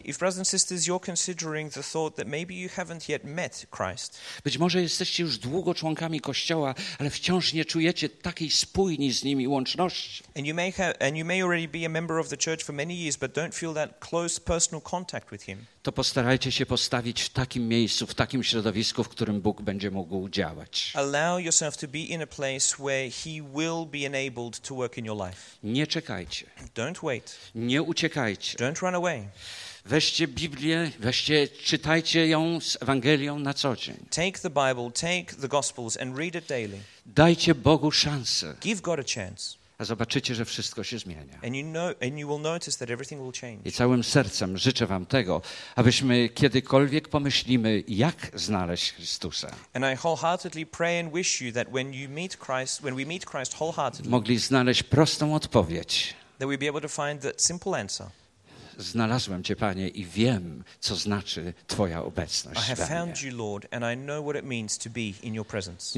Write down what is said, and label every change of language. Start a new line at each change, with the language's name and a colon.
English: if, brothers and sisters, you're considering the thought that maybe you haven't yet met Christ,
Polish: być może jesteście już długo członkami Kościoła, ale wciąż nie czujecie takiej spójni z Nim i łączności.
English: And you may already be a member of the church for many years, but don't feel that close personal contact with Him.
Polish: To postarajcie się postawić w takim miejscu, w takim środowisku, w którym Bóg będzie mógł działać.
English: Allow yourself to be in a place where He will be enabled to work in your life.
Polish: Nie czekajcie.
English: Don't wait.
Polish: Nie uciekajcie.
English: Don't run away.
Polish: Weźcie Biblię, weźcie, czytajcie ją z Ewangelią na co dzień.
English: Take the Bible, take the Gospels and read it daily.
Polish: Dajcie Bogu szansę.
English: Give God a chance.
Polish: A zobaczycie, że wszystko się zmienia.
English: And you know, and you will notice that everything will change.
Polish: I całym sercem życzę wam tego, abyśmy kiedykolwiek pomyślimy, jak znaleźć Chrystusa.
English: And I wholeheartedly pray and wish you that when you meet Christ, when we meet Christ wholeheartedly,
Polish: mogli znaleźć prostą odpowiedź.
English: That we'll be able to find that simple answer.
Polish: Znalazłem Cię, Panie, i wiem, co znaczy Twoja obecność we mnie.
English: You, Lord, and I know what it means to be in your presence.